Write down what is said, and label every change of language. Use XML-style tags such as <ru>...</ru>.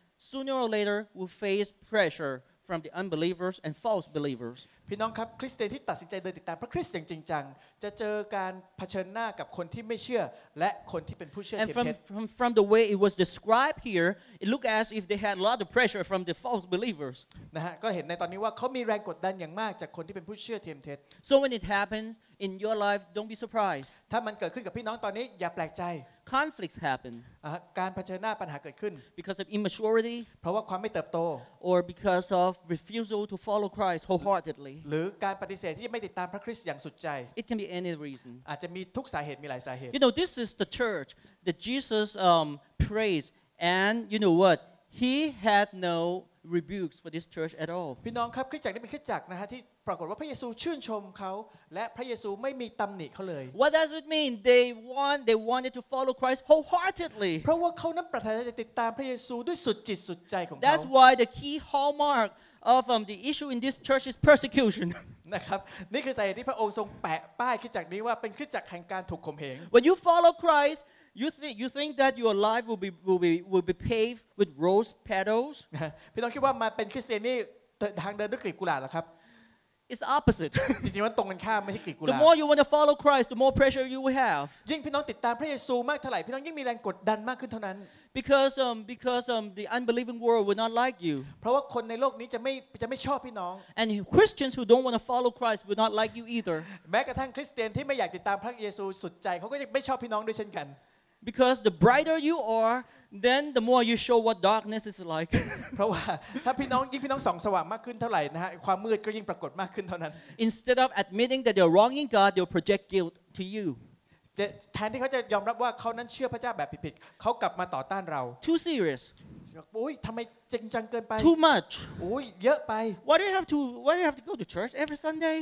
<en>sooner or later will face pressure from the unbelievers and false believers.</en> <th>พี่น้องครับคริสเตียนที่ตัดสินใจเดินติดตามพระคริสต์อย่างจริงจังจะเจอการเผชิญหน้ากับคนที่ไม่เชื่อและคนที่เป็นผู้เชื่อเท็จ</th> <en>And from the way it was described here, it looked as if they had a lot of pressure from the false believers.</en> <th>นะฮะก็เห็นในตอนนี้ว่าเขามีแรงกดดันอย่างมากจากคนที่เป็นผู้เชื่อเท็จ</th> <en>So when it happens in your life, don't be surprised.</en> <th>ถ้ามันเกิดขึ้นกับพี่น้องตอนนี้อย่าแปลกใจ</th> <en>Conflicts happen.</en> <th>การเผชิญหน้าปัญหาเกิดขึ้น</th> <en>because of immaturity.</en> <th>เพราะว่าความไม่เติบโต</th> <en>or because of refusal to follow Christ wholeheartedly.</en> <th>หรือการปฏิเสธที่ไม่ติดตามพระคริสต์อย่างสุดใจ</th> <en>it can be any reason.</en> <th>อาจจะมีทุกสาเหตุมีหลายสาเหตุ</th> <en>you know this is the church that Jesus prays and you know what he had no rebukes for this church at all.</en> <th>พี่น้องครับคริสตจักรนี้เป็นคริสตจักรนะฮะที่ปรากฏว่าพระเยซูชื่นชมเขาและพระเยซูไม่มีตำหนิเขาเลย</th> <en>What does it mean? They wanted to follow Christ wholeheartedly.</en> <th>เพราะว่าเขานั้นปรารถนาจะติดตามพระเยซูด้วยสุดจิตสุดใจของเขา</th> <en>That's why the key hallmark of the issue in this church is persecution.</en> <th>นะครับนี่คือสาเหตุที่พระองค์ทรงแปะป้ายคริสตจักรนี้ว่าเป็นคริสตจักรแห่งการถูกข่มเหง</th> <en>When you follow Christ, you think that your life will be paved with rose petals?</en> <th>พี่น้องคิดว่ามาเป็นคริสเตียนนี่ทางเดินด้วยกลีบกุหลาบหรอครับ</th> <en>It's opposite.</en> <th>จริงๆมันตรงกันข้ามไม่ใช่กลีบกุหล าบ</th> <en>The more you want to follow Christ, the more pressure you will have.</en> <th>ยิ่งพี่น้องติดตามพระเยซูมากเท่าไหร่พี่น้องยิ่งมีแรงกดดันมากขึ้นเท่านั้น</th> <en>Because the unbelieving world will not like you.</en> <th>เพราะว่าคนในโลกนี้จะไม่ชอบพี่น้อง</th> <en>And Christians who don't want to follow Christ will not like you either.</en> <th>แม้กระทั่งคริสเตียนที่ไม่อยากติดตามพระเยซูสุดใจเขาก็ยังไม่ชอบพี่น้องด้วยเช่นกัน</th> <en>Because the brighter you are. Then the more you show what darkness is like.</en> <th>เพราะว่าถ้าพี่น้องยิ่งพี่น้องส่องสว่างมากขึ้นเท่าไหร่นะฮะความมืดก็ยิ่งปรากฏมากขึ้นเท่านั้น</th> <en>Instead of admitting that they're wronging God, they'll project guilt to you.</en> <th>แทนที่เขาจะยอมรับว่าเขานั้นเชื่อพระเจ้าแบบผิดๆเขากลับมาต่อต้านเรา</th> <en>Too serious.</en> <th>โอ้ยทำไมจริงจังเกินไป</th> <en>Too much.</en> <th>โอ้ยเยอะไป</th> <en>Why do you have to go to church every Sunday?</en>